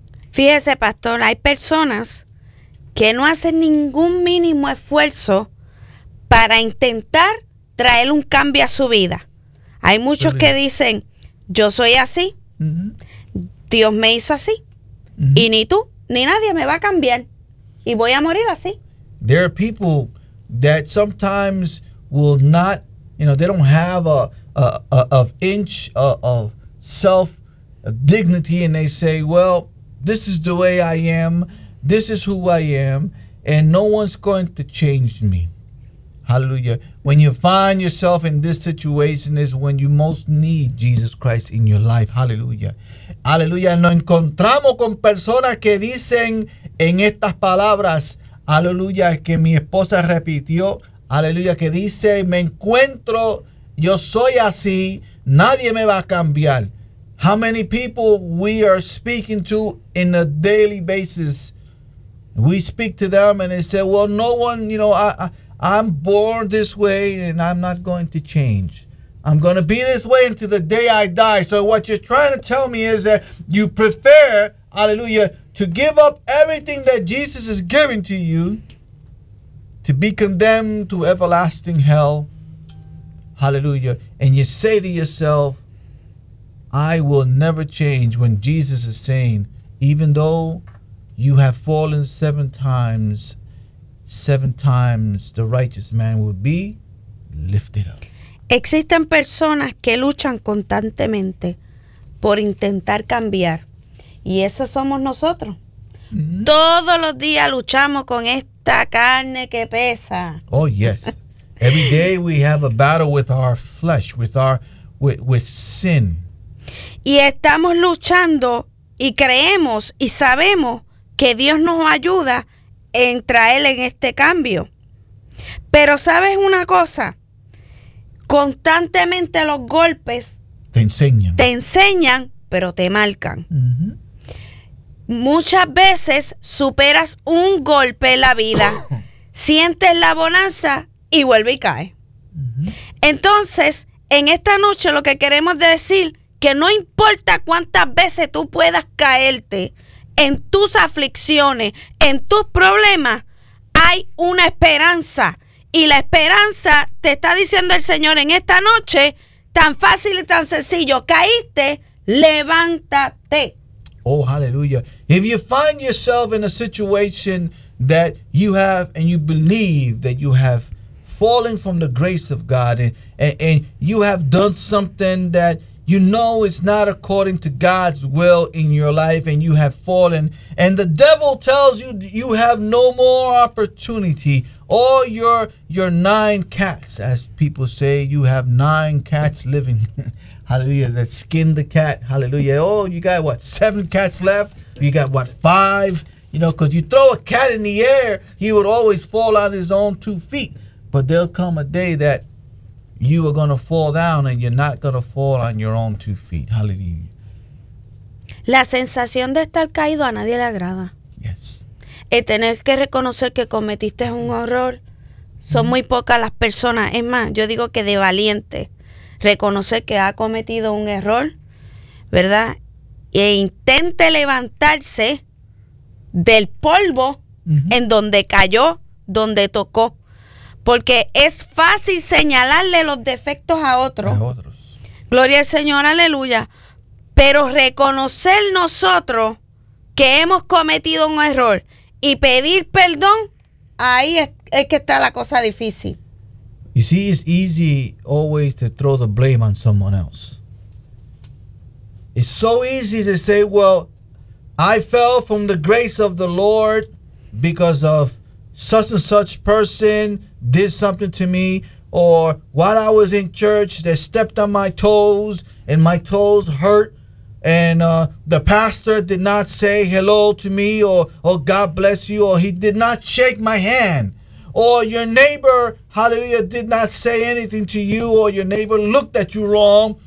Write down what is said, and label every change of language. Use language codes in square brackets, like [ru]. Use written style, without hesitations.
[es] Fíjese, pastor, hay personas que no hacen ningún mínimo esfuerzo para intentar traer un cambio a su vida. Hay muchos que dicen, yo soy así, Dios me hizo así, y ni tú ni nadie me va a cambiar, y voy a morir así. [en] There are people that sometimes will not, you know, they don't have an inch of self-dignity, and they say, well, this is the way I am, this is who I am, and no one's going to change me. Hallelujah. When you find yourself in this situation is when you most need Jesus Christ in your life. Hallelujah. Hallelujah. [es] Nos encontramos con personas que dicen en estas palabras, hallelujah, que mi esposa repitió, hallelujah, que dice, me encuentro, yo soy así, nadie me va a cambiar. [en] How many people we are speaking to in a daily basis? We speak to them and they say, well, no one, you know, I'm born this way and I'm not going to change. I'm going to be this way until the day I die. So what you're trying to tell me is that you prefer, hallelujah, to give up everything that Jesus is giving to you to be condemned to everlasting hell. Hallelujah. And you say to yourself, I will never change, when Jesus is saying, even though you have fallen seven times the righteous man will be lifted up. [es] Existen personas que luchan constantemente por intentar cambiar. Y esos somos nosotros. Todos los días luchamos con esta carne que pesa. [en] Oh, yes. Every day we have a battle with our flesh, with sin. [es] Y estamos luchando y creemos y sabemos que Dios nos ayuda en traer en este cambio. Pero sabes una cosa, constantemente los golpes te enseñan, pero te marcan. Muchas veces superas un golpe en la vida, sientes la bonanza y vuelve y cae. Entonces, en esta noche lo que queremos decir, que no importa cuántas veces tú puedas caerte en tus aflicciones, en tus problemas, hay una esperanza. Y la esperanza te está diciendo el Señor en esta noche, tan fácil y tan sencillo, caíste, levántate. Oh, hallelujah. [en] If you find yourself in a situation that you have and you believe that you have fallen from the grace of God and you have done something that you know it's not according to God's will in your life and you have fallen, and the devil tells you you have no more opportunity. All your nine cats, as people say, you have nine cats living. Hallelujah. That skinned the cat. Hallelujah. Oh, you got what? Seven cats left? You got what? Five? You know, because you throw a cat in the air, he would always fall on his own two feet. But there'll come a day that you are going to fall down and you're not going to fall on your own two feet. Hallelujah. [es] La sensación de estar caído a nadie le agrada. [en] Yes. [es] El tener que reconocer que cometiste un error, son muy pocas las personas. Es más, yo digo que de valiente reconocer que ha cometido un error, ¿verdad? E intente levantarse del polvo en donde cayó, donde tocó. Porque es fácil señalarle los defectos a otros. Gloria al Señor, aleluya. Pero reconocer nosotros que hemos cometido un error y pedir perdón, ahí es que está la cosa difícil. [en] You see, it's easy always to throw the blame on someone else. It's so easy to say, well, I fell from the grace of the Lord because of such and such person did something to me, or while I was in church, they stepped on my toes and my toes hurt, and the pastor did not say hello to me, or God bless you, or he did not shake my hand, or your neighbor, hallelujah, did not say anything to you, or your neighbor looked at you wrong.